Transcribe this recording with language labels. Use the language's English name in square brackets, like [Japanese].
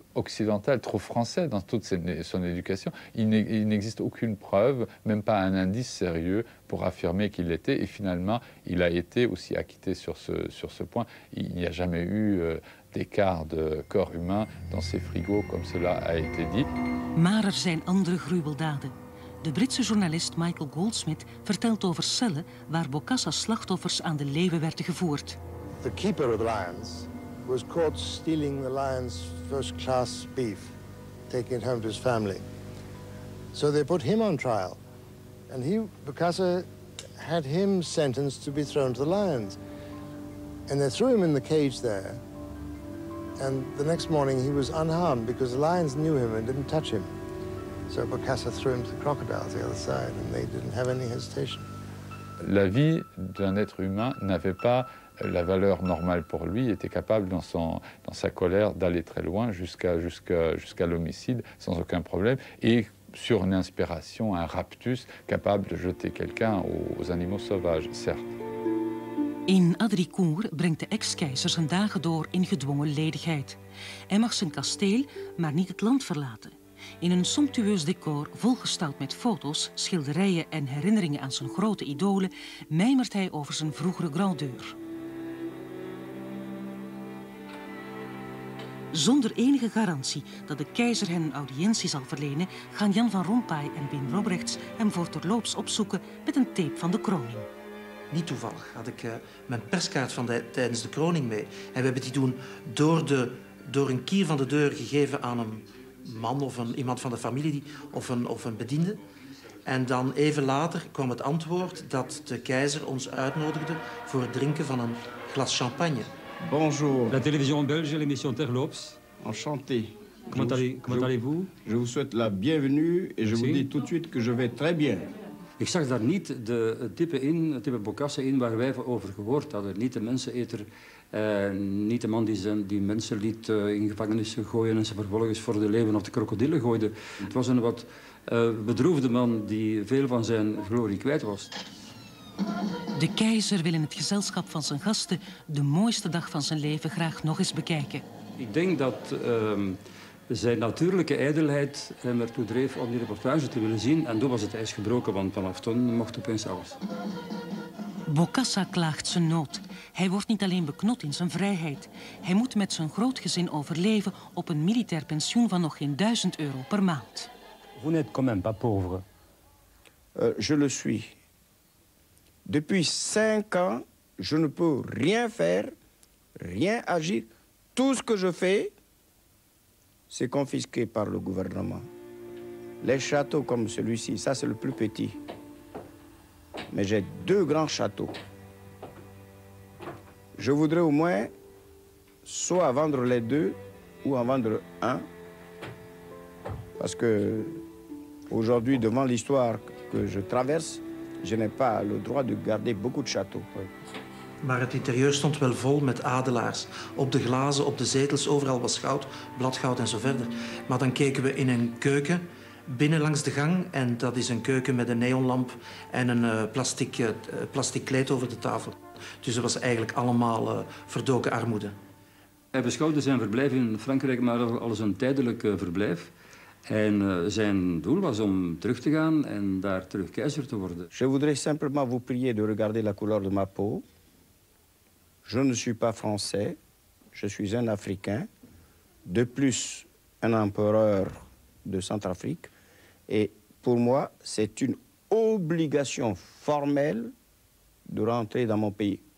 [French] occidental, trop français dans toute son éducation. Il n'existe aucune preuve, même pas un indice sérieux pour affirmer qu'il l'était. Et finalement, il a été aussi acquitté sur ce point. Il n'y a jamais eu d'écart de corps humain dans ses frigos, comme cela a été dit. [Dutch] Maar er zijn andere gruweldaden. De Britse journalist Michael Goldsmith vertelt over cellen waar Bokassa's slachtoffers aan de leeuwen werden gevoerd. [English] The keeper of the lions was caught stealing the lions' first-class beef, taking it home to his family. So they put him on trial, and Bokassa had him sentenced to be thrown to the lions. And they threw him in the cage there, and the next morning he was unharmed because the lions knew him and didn't touch him. So Bokassa threw him to the crocodiles the other side, and they didn't have any hesitation. [French] La vie d'un être humain n'avait pas la valeur normale pour lui, était capable dans sa colère d'aller très loin jusqu'à l'homicide sans aucun problème, et sur une inspiration, un raptus, capable de jeter quelqu'un aux animaux sauvages, certes. [Dutch] In Adricourt brengt de ex-keizer zijn dagen door in gedwongen ledigheid. Hij mag zijn kasteel, maar niet het land verlaten. In een somptueus decor, volgesteld met foto's, schilderijen en herinneringen aan zijn grote idolen, mijmert hij over zijn vroegere grandeur. Zonder enige garantie dat de keizer hen een audiëntie zal verlenen, gaan Jan van Rompuy en Wim Robrechts hem voor terloops opzoeken met een tape van de kroning. Niet toevallig had ik mijn perskaart van tijdens de kroning mee. En we hebben die toen door een kier van de deur gegeven aan een man of iemand van de familie of een bediende. En dan even later kwam het antwoord dat de keizer ons uitnodigde voor het drinken van een glas champagne. [French] Bonjour. La télévision belge, l'émission Terloops. Enchanté. Comment allez-vous? Je vous souhaite la bienvenue et je vous dis tout de suite que je vais très bien. [Dutch] Ik zag daar niet de type Bokassa in waar wij over gehoord hadden. Niet de menseneter, niet de man die mensen liet in gevangenissen gooien en ze vervolgens voor de leeuwen of de krokodillen gooide. Het was een wat bedroefde man die veel van zijn glorie kwijt was. De keizer wil in het gezelschap van zijn gasten de mooiste dag van zijn leven graag nog eens bekijken. Ik denk dat zijn natuurlijke ijdelheid hem ertoe dreef om die reportage te willen zien. En toen was het ijs gebroken, want vanaf toen mocht opeens alles. Bokassa klaagt zijn nood. Hij wordt niet alleen beknot in zijn vrijheid. Hij moet met zijn groot gezin overleven op een militair pensioen van nog geen 1000 euro per maand. [French] Vous n'êtes quand même pas pauvre. Je le suis. Depuis 5 ans, je ne peux rien faire, rien agir. Tout ce que je fais, c'est confisqué par le gouvernement. Les châteaux comme celui-ci, ça c'est le plus petit. Mais j'ai 2 grands châteaux. Je voudrais au moins soit vendre les 2 ou en vendre 1. Parce que aujourd'hui, devant l'histoire que je traverse, je n'ai pas le droit de garder beaucoup de châteaux. [Dutch] Maar het intérieur stond wel vol met adelaars. Op de glazen, op de zetels, overal was goud, bladgoud en zo verder. Maar dan keken we in een keuken binnen langs de gang. En dat is een keuken met een neonlamp en een plastic kleed over de tafel. Dus dat was eigenlijk allemaal verdoken armoede. Hij beschouwde zijn verblijf in Frankrijk maar als een tijdelijk verblijf. En zijn doel was om terug te gaan en daar terug keizer te worden. [French] Je voudrais simplement vous prier de regarder la couleur de ma peau. Je ne suis pas français, je suis un Africain. De plus, un empereur de Centrafrique. Et pour moi, c'est une obligation formelle de rentrer dans mon pays.